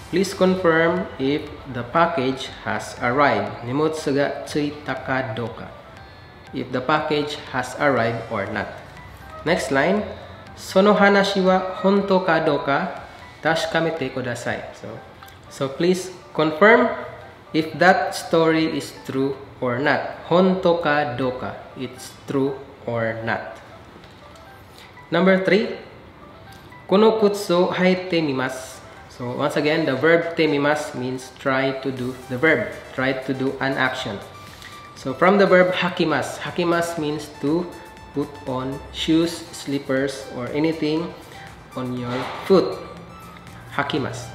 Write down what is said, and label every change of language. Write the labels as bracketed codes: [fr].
[en] Please confirm if the package has arrived. [ja] 荷物がついたかどうか。 [en] If the package has arrived or not. Next line. [ja] その話は本当かどうか確かめてください。 [en] So please confirm if that story is true or not. [ja] 本当かどうか。 [en] It's true or not. Number 3. [ja] この靴を履いてみます。 [en] So once again, the verb temimas means try to do the verb, try to do an action. So from the verb hakimas, hakimas means to put on shoes, slippers, or anything on your foot. Hakimas.